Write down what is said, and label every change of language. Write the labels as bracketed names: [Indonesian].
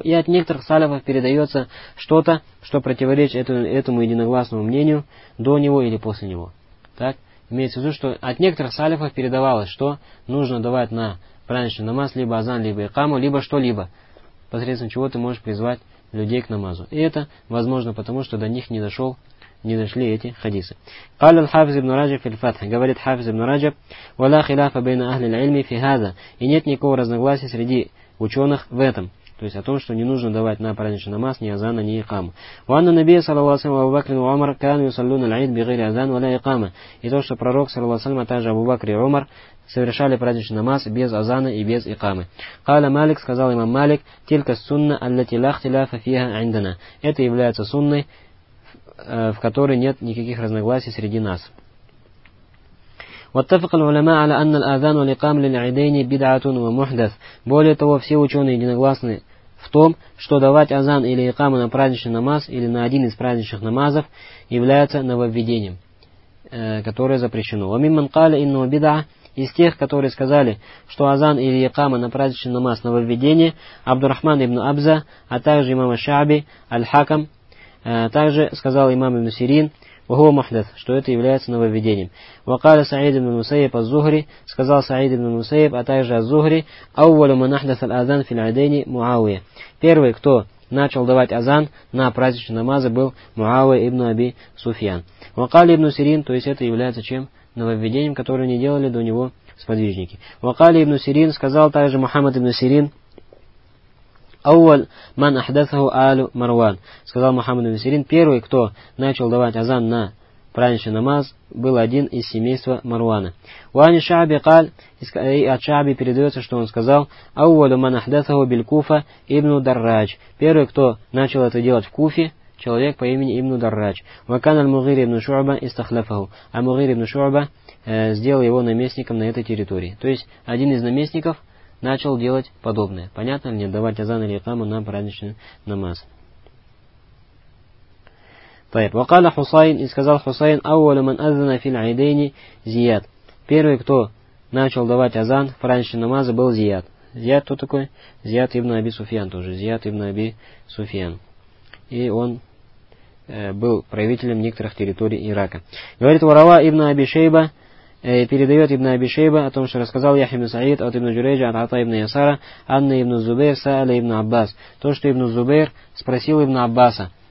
[Russian] И от некоторых салафов передается что-то, что противоречит этому единогласному мнению до него или после него. Так? Имеется в виду, что от некоторых салафов передавалось, что нужно давать на праздничный намаз либо азан, либо икаму, либо что-либо, посредством чего ты можешь призвать людей к намазу. И это возможно потому, что до них не дошел не нашли эти хадисы. [Arabic] قال الحافظ ابن رجب في الفتح. [Russian] Говорит Хафиз ибн Раджаб, [Arabic] ولا خلاف بين أهل العلم في هذا. [Russian] И нет никакого разногласия среди ученых в этом. То есть о том, что не нужно давать на праздничный намаз ни азана, ни икама. [Arabic] وأن النبي صلى الله عليه وسلم أبو بكر وعمر كانوا يصلون العيد بغير أذان ولا إقامة. [Russian] И то, что пророк [Arabic] صلى الله عليه وسلم, [Russian] а также Абу Бакр и Умар совершали праздничный намаз без азана и без икамы. [Arabic] قال مالك, [Russian] сказал имам Малик, [Arabic] تلك السنة التي لا خلاف فيها عندنا. [Russian] Это является сунной, в которой нет никаких разногласий среди нас. [Arabic] واتفق العلماء على أن الأذان والإقامة للعيدين بدعة ومحدث. [Russian] Более того, все ученые единогласны в том, что давать азан или икаму на праздничный намаз или на один из праздничных намазов является нововведением, которое запрещено. [Arabic] ومن قال إنه بدعة, [Russian] из тех, которые сказали, что азан или икама на праздничный намаз нововведение, Абдурахман ибн Абза, а также имам Шааби, Аль-Хакам. Также сказал имам ибн Сирин, что это является нововведением. [Arabic] وقال سعيد بن المسيب الزهري, [Russian] сказал Саид ибн Мусейб, а также Аз-Зухри, [Arabic] أول من أحدث الأذان في العيدين معاوية. [Russian] Первый, кто начал давать азан на праздничные намазы, был Муавия ибн Аби Суфьян. وقال ибн Сирин, то есть это является чем? Нововведением, которое не делали до него сподвижники. وقال ибн Сирин, сказал также Мухаммад ибн Сирин, [Arabic] أول من أحدثه آل مروان. [Russian] Сказал Мухаммад ибн Сирин, первый, кто начал давать азан на праздничный намаз, был один из семейства Марвана. [Arabic] وعن الشعبي قال, [Russian] от Шааби передается, что он сказал, [Arabic] أول من أحدثه بالكوفة ابن دراج. [Russian] Первый, кто начал это делать в Куфе, человек по имени ибн Дарраж. [Arabic] وكان المغير ابن شعبة استخلفه. [Russian] А Мугир ибн Шуъба сделал его наместником на этой территории. То есть один из наместников начал делать подобное. Понятно ли мне давать азан или икаму на праздничный намаз? [Arabic] طيب. وقال حسين, [Russian] и сказал Хусайн, [Arabic] أول من أذن في العيدين زياد. [Russian] Первый, кто начал давать азан в праздничный намаз, был Зияд. Зияд кто такой? Зияд ибн Аби Суфьян тоже. Зияд ибн Аби Суфьян. И он был правителем некоторых территорий Ирака. Говорит, ворова ибн Аби Шейба, передает ибн Аби Шейба о том, что рассказал Яхья ибн Саид от ибн Джурейджа, от Ата ибн Ясара, Анна ибн Зубейр, Саала ибн Аббас. То, что ибн Зубейр спросил ибн Аббаса,